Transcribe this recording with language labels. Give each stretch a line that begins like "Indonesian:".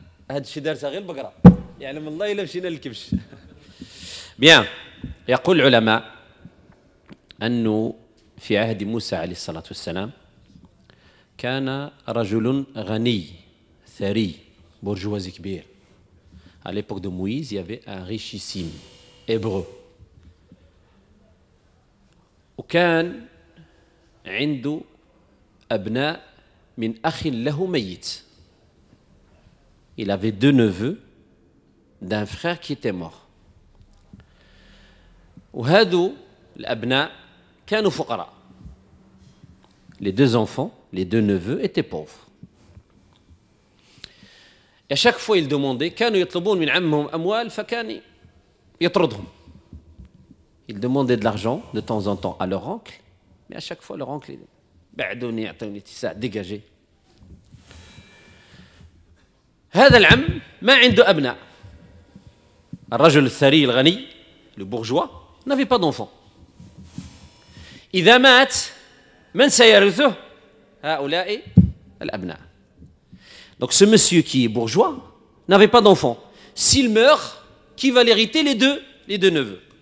Arabic: هذا الشيء دارتها غير البقره يعلم الله الا مشينا للكبش بيان يقول العلماء انه في عهد موسى عليه الصلاه والسلام كان رجل غني ثري برجوازي كبير
French: à l'époque de Moïse il y avait un richissime hébreu
Arabic: وكان عنده أبناء من أخ له ميت.
French: Il avait deux neveux d'un frère qui était mort.
Arabic: وهذو الأبناء كانوا فقراء.
French: Les deux enfants, les deux neveux étaient pauvres. Et à chaque fois ils demandaient,
Arabic: كانوا يطلبون من عمهم أموال فكان يطردهم.
French: Ils demandaient de l'argent de temps en temps à leur oncle. Mais à chaque fois, leur oncle est
Arabic: بعدوني يعطوني تسع دجاجي. هذا العم ما عنده أبناء. الرجل الثري الغني,
French: le bourgeois, n'avait pas d'enfants.
Arabic: إذا مات, من سيرثه؟ هؤلاء الأبناء.
French: Donc ce monsieur qui est bourgeois n'avait pas d'enfants. S'il meurt, qui va l'hériter les deux neveux.